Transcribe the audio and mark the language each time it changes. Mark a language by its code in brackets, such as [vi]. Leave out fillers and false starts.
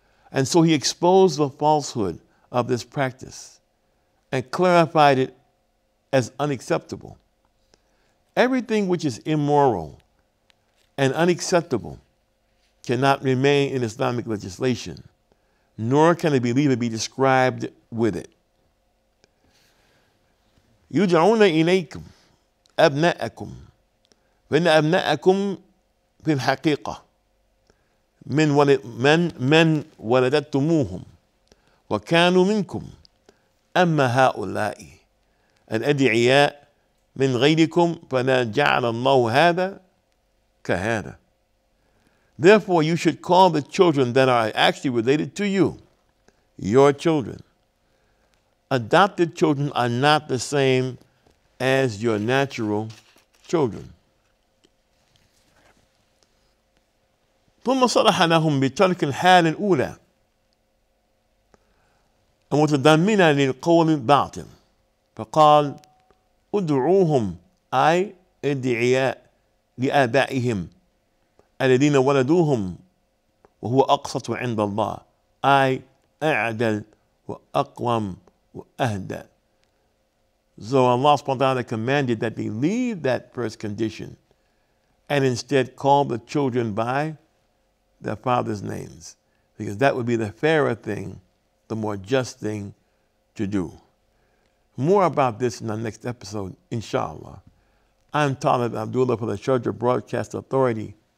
[en] And so he exposed the falsehood of this practice and clarified it as unacceptable. Everything which is immoral and unacceptable cannot remain in Islamic legislation, nor can a believer be described with it. [ar] يُجَعُونَ إِلَيْكُمْ أَبْنَاءَكُمْ فَإِنَّ أَبْنَاءَكُمْ فِي الْحَقِيقَةِ من ولدتموهم وكانوا منكم أما هؤلاء الأدعياء من غيركم فلا جعل الله هذا كهذا. [en] Therefore you should call the children that are actually related to you your children. Adopted children are not the same as your natural children. [ar] ثم صرح لهم بترك الحال الأولى ومتضمنا للقول الباطل فقال ادعوهم أي ادعياء لآبائهم الذين ولدوهم وهو أقسط عند الله أي أعدل وأقوم وأهدى. [en] So Allah subhanahu wa ta'ala commanded that they leave that first condition and instead call the children by their father's names, because that would be the fairer thing, the more just thing to do. More about this in our next episode, inshallah. I'm Talib Abdullah for the Sharjah Broadcast Authority.